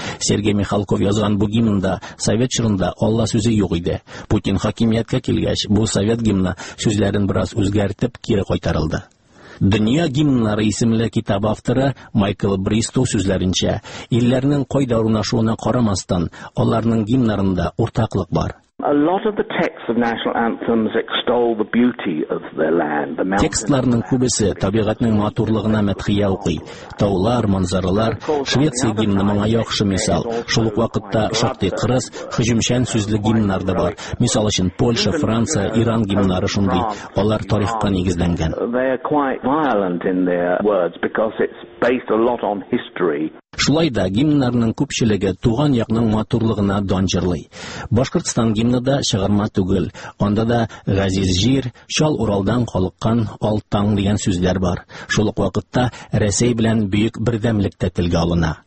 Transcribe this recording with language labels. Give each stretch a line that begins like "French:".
Tatar: Сергей Михалков язган бу гимнда совет чорында Алла сүзе юк иде. Путин хакимияткә килгәч, бу совет гимны сүзләрен бераз үзгәртеп кире кайтарылды. Дөнья гимннары исемле китап авторы Майкл Бристоу сүзләренчә, илләрнең кайда урнашуына карамастан, аларның гимннарында уртаклык бар.
English: A lot of the texts of national anthems extol the beauty of their land.
Tatar: Текстларның күбесе табигатьнең матурлыгына мәдхия укый. Таулар, манзаралар, Швеция гимны моңа яхшы мисал. Шул ук вакытта шактый кырыс, һөҗүмчән сүзле гимннар да бар. Мисал өчен Польша, Франция, Иран гимннары шундый. Алар тарихка нигезләнгән.
English: They are quite violent in their words because it's based a lot on history.
Tatar: Шулай да гимннарның күпчелеге туган якның матурлыгына дан җырлый. Башкортстан гимны да чыгарма түгел. Анда да газиз җир, шал Уралдан калыккан алтаң дигән сүзләр бар. Шул ук вакытта Россия белән бөек бердәмлектә телгә алына.